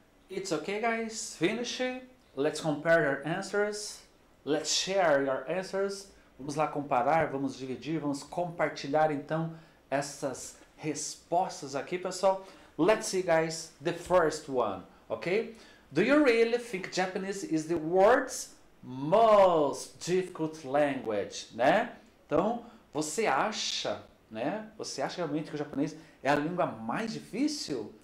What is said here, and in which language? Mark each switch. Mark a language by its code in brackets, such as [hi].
[en] It's okay, guys. Finish. Let's compare your answers. Let's share your answers. [pt] Vamos lá comparar, vamos dividir, vamos compartilhar, então, essas respostas aqui, pessoal. [en] Let's see, guys, the first one, okay? Do you really think Japanese is the world's most difficult language, né? [pt] Então, você acha, né? Você acha realmente que o japonês é a língua mais difícil?